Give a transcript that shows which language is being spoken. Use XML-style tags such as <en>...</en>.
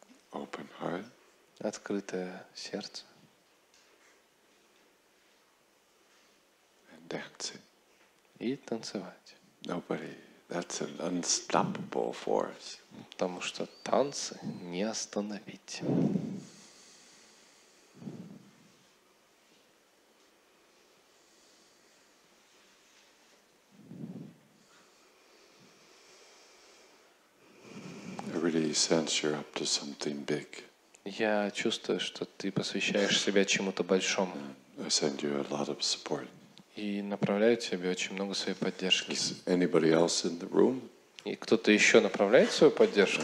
<en>Open heart.</en> <ru>Открытое сердце.</ru> <en>And dancing.</en> <ru>И танцевать.</ru> <en>Nobody. That's an unstoppable force.</en> <ru>Потому что танцы не остановить.</ru> <en>I really sense you're up to something big.</en> <ru>Я чувствую, что ты посвящаешь себя чему-то большому.</ru> <en>I send you a lot of support.</en> <ru>И направляю тебе очень много своей поддержки.</ru> <en>Is anybody else in the room?</en> <ru>И кто-то еще направляет свою поддержку?</ru>